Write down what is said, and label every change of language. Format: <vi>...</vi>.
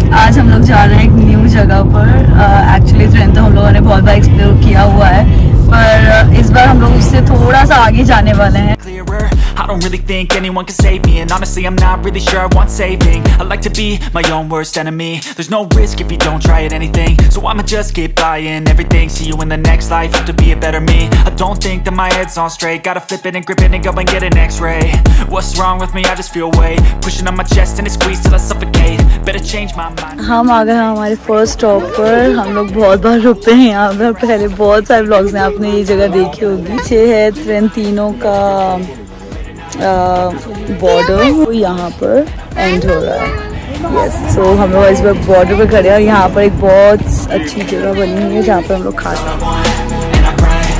<hi>आज हम लोग जा रहे हैं एक न्यू जगह पर. एक्चुअली ट्रेन तो हम लोगों ने बहुत बार एक्सप्लोर किया हुआ है, पर इस बार हम लोग उससे थोड़ा सा आगे जाने वाले हैं.</hi> <en>I don't really think anyone can save me, and honestly I'm not really sure I want saving. I like to be my own worst enemy. There's no risk if you don't try at anything, so I'ma just keep buying everything. See you in the next life, hope to be a better me. I don't think that my head's on straight, gotta flip it and grip it and go and get an x-ray. What's wrong with me? I just feel weight pushing on my chest and it squeezes till I suffocate. Better change my mind. We are at our first stop. We have been here a lot of times. You have seen a lot of vlogs here before. This place is 6 train 3's border.</en> <hi>यहाँ पर and हो रहा है. Yes, सो हम लोग इस बार border पर खड़े हैं. यहाँ पर एक बहुत अच्छी जगह बनी हुई है जहाँ पर हम लोग खाते हैं.</hi>